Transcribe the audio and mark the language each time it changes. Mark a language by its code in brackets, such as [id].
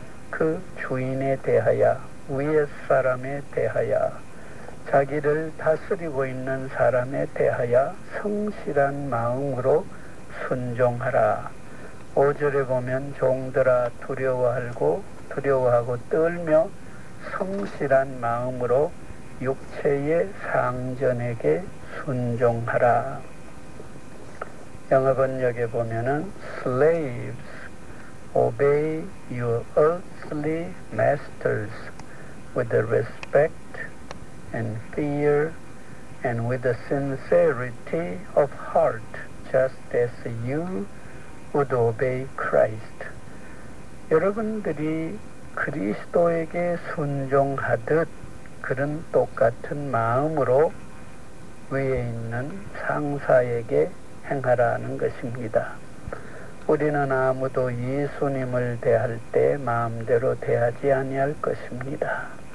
[ko] 그 주인에 대하여, 위의 사람에 대하여, 자기를 다스리고 있는 사람에 대하여 성실한 마음으로 순종하라. 5절에 보면 종들아 두려워하고 떨며 성실한 마음으로 육체의 상전에게 순종하라. 영어 번역에 보면은 [en] slaves obey your earthly masters with respect and fear and with a sincerity of heart just as you would obey Christ. [ko] 여러분들이 그리스도에게 순종하듯 그런 똑같은 마음으로 위에 있는 상사에게 행하라는 것입니다. 우리는 아무도 예수님을 대할 때 마음대로 대하지 아니할 것입니다.